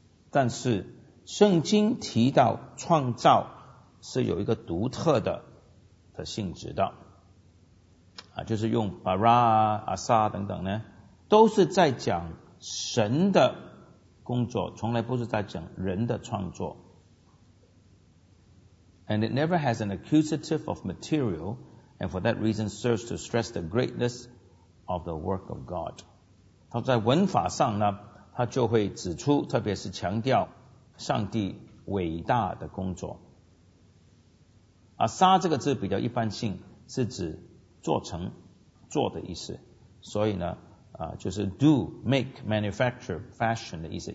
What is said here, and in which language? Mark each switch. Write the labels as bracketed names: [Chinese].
[Chinese] 但是圣经提到创造是有一个独特的性质的就是用 bara 阿萨等等呢都是在讲神的工作，从来不是在讲人的创作。 [English] And it never has an accusative of material and for that reason serves to stress the greatness of the work of God。 [Chinese] 他在文法上呢他就会指出特别是强调上帝伟大的工作。沙这个字比较一般性，是指做成做的意思，所以呢就是 [English] do make manufacture fashion [Chinese] 的意思。